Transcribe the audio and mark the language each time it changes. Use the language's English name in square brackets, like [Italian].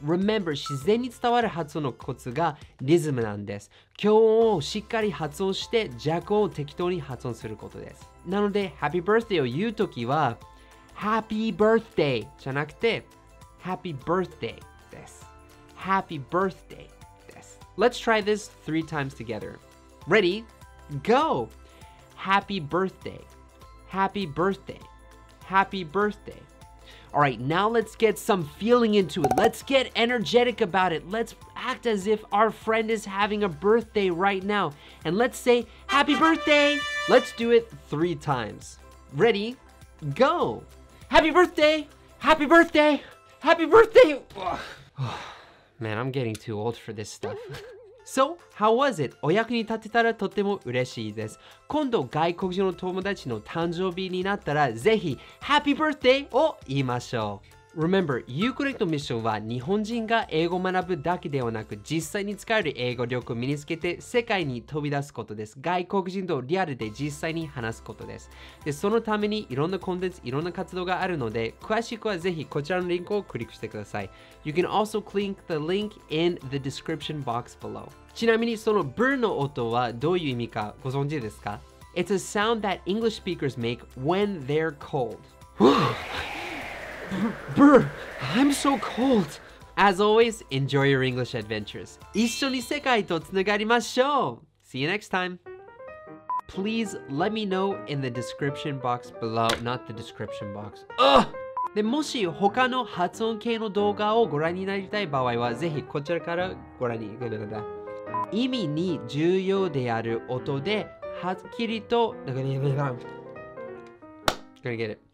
[English] Remember, [Japanese] 自然に伝わる発音のコツがリズムなんです。強音をしっかり発音して弱音を適当に発音することです。なので、Happy Birthday を言うときは Happy Birthday じゃなくて Happy Birthday です。 [English] Happy Birthday [Japanese] です。 [English] Let's try this three times together. Ready? Go! Happy Birthday! Happy Birthday! Happy Birthday! Alright, now let's get some feeling into it. Let's get energetic about it. Let's act as if our friend is having a birthday right now. And let's say, Happy birthday! Let's do it three times. Ready? Go! Happy birthday! Happy birthday! Happy birthday! Man, I'm getting too old for this stuff. So, how was it? [Japanese] お役に立てたらとても嬉しいです。今度外国人の友達の誕生日になったらぜひ Happy Birthday を言いましょう。 [English] Remember, [Japanese] Ucorrect Mission は日本人が英語を学ぶだけではなく実際に使える英語力を身につけて世界に飛び出すことです。外国人とリアルで実際に話すことです。で、そのためにいろんなコンテンツ、いろんな活動があるので詳しくはぜひこちらのリンクをクリックしてください。 [English] You can also click the link in the description box below. [Japanese] ちなみにそのブーの音はどういう意味かご存知ですか? [English] It's a sound that English speakers make when they're cold. Brr, I'm so cold. As always, enjoy your English adventures. [Japanese] 一緒に世界とつながりましょう。 [English] See you next time. Please let me know in the description box below. Not the description box. [Japanese] でもし他の発音系の動画をご覧になりたい場合はぜひこちらからご覧になりたい。意味に重要である音ではっきりと。 [English] Gonna get it.